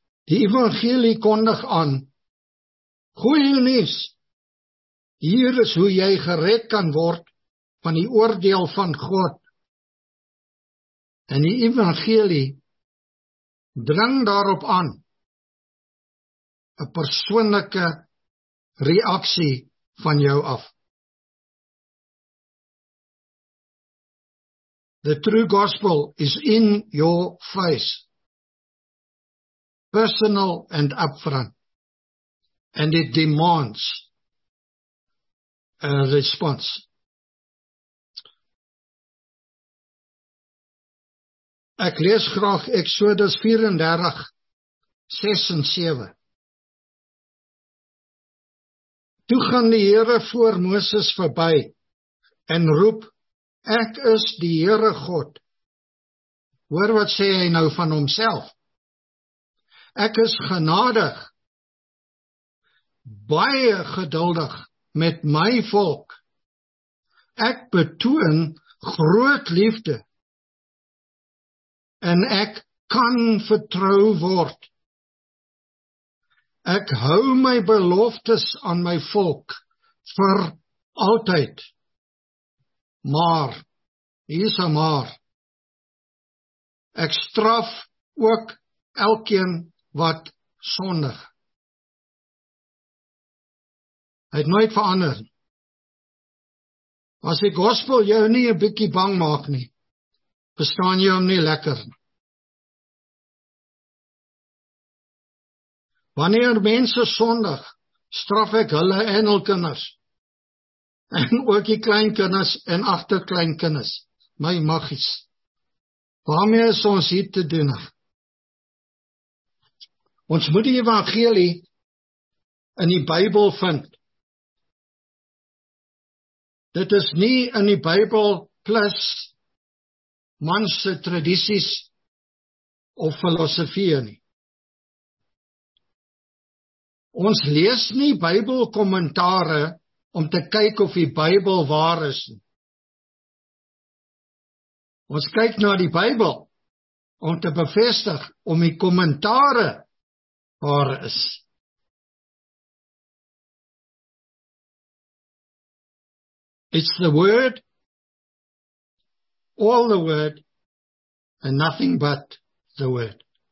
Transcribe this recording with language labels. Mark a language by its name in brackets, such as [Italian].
[Afrikaans] Die evangelie kondig aan, goeie nuus, hier is hoe jy gered kan word van die oordeel van God. En die evangelie dring daarop aan, 'n persoonlike reaksie van jou af. [English] The true gospel is in your face, personal and upfront, and it demands a response. [Afrikaans] Ek lees graag Exodus 34:6-7. Toe gaan die Here voor Moses verby en roep, ek is die Here God. Hoor wat sê hy nou van homself. Ek is genadig, baie geduldig met my volk. Ek betoon groot liefde en ek kan vertrou word. Ek hou my beloftes aan my volk vir altyd. Maar, hier is een maar, ek straf ook elkeen wat sondig. Hy het nooit verander. As die gospel jou nie 'n bietjie bang maak nie, verstaan jy hom nie lekker nie. Wanneer mense sondig, straf ek hulle en hul kinders, en ook die kleinkinders en agterkleinkinders, my maggies. Waarmee is ons hier te doen? Ons moet die evangelie in die Bybel vind. Dit is nie in die Bybel plus manse tradities of filosofie nie. Ons lees nie Bybelkommentare om te kyk of die Bybel waar is nie. Ons kyk na die Bybel om te bevestig om die kommentare waar is. [English] It's the word, all the word, and nothing but the word.